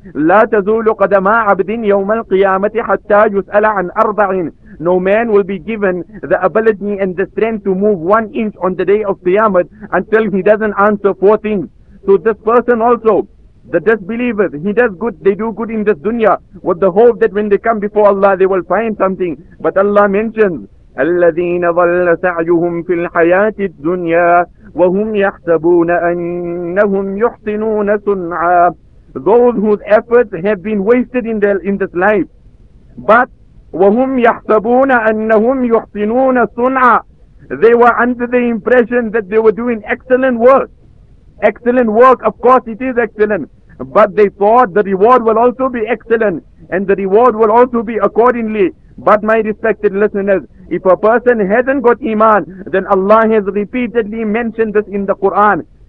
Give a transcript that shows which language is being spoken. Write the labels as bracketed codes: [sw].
[ar] لَا تَزُولُ قَدَمَا عَبْدٍ يَوْمَ الْقِيَامَةِ حَتَّى يُسْأَلَ عَنْ أَرْبَعٍ. [en] No man will be given the ability and the strength to move 1 inch on the day of Qiyamah until he doesn't answer 4 things. So this person also, the disbelievers, he does good, they do good in this dunya with the hope that when they come before Allah, they will find something. But Allah mentions, [ar] الَّذِينَ ظَلَّ سَعْيُهُمْ فِي الْحَيَاةِ الدُّنْيَا وَهُمْ يَحْسَبُونَ أَنَّهُمْ يُحْسِنُونَ صُنْعًا. [en] Those whose efforts have been wasted in this life. [ar] But وَهُمْ يَحْسَبُونَ أَنَّهُمْ يُحْسِنُونَ صُنْعًا. [en] They were under the impression that they were doing excellent work. Excellent work, of course it is excellent. But they thought the reward will also be excellent and the reward will also be accordingly. But my respected listeners, if a person hasn't got iman, then Allah has repeatedly mentioned this in the Quran.